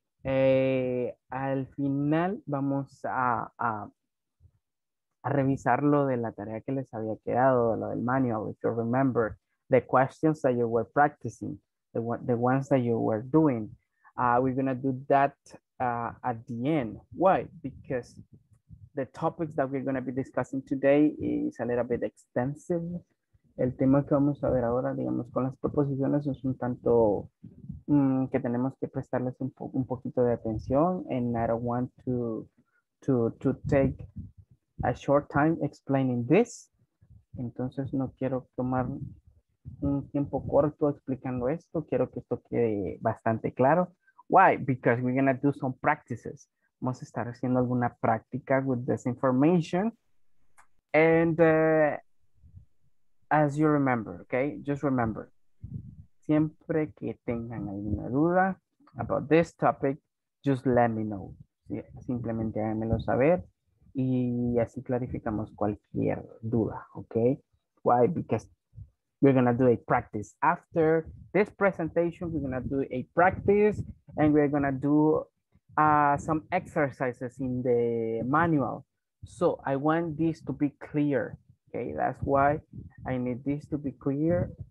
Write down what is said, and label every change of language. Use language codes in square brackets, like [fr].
[es] Al final, vamos a revisar lo de la tarea que les había quedado, lo del manual, [en] if you remember, the questions that you were practicing, the ones that you were doing. We're going to do that at the end. Why? Because the topics that we're going to be discussing today is a little bit extensive. [es] El tema que vamos a ver ahora, digamos, con las proposiciones es un tanto que tenemos que prestarles un poquito de atención. [en] And I don't want to take a short time explaining this. [es] Entonces, no quiero tomar un tiempo corto explicando esto. Quiero que esto quede bastante claro. [en] Why? Because we're going to do some practices. [es] Vamos a estar haciendo alguna práctica [en] with this information. And as you remember, okay? Just remember, [es] siempre que tengan alguna duda [en] about this topic, just let me know. [es] Simplemente háganmelo saber y así clarificamos cualquier duda, okay? [en] Why? Because we're gonna do a practice. After this presentation, we're gonna do a practice and we're gonna do some exercises in the manual. So I want this to be clear. Okay, that's why I need this to be clear.